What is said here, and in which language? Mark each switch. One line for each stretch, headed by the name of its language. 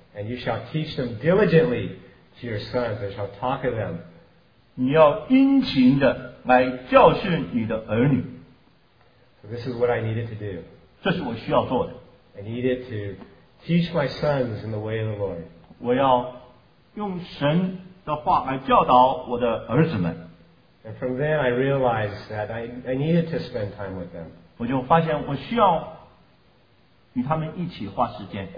English: And you shall teach them diligently to your sons and shall talk of them.
Chinese: 你要殷勤的来教训你的儿女。
English: So this is what I needed to do.
Chinese: 这是我需要做的。
English: I needed to teach my sons in the way of the Lord.
Chinese: 我要用神的话来教导我的儿子们。
English: And from then I realized that I needed to spend time with them.
Chinese: 我就发现我需要与他们一起花时间。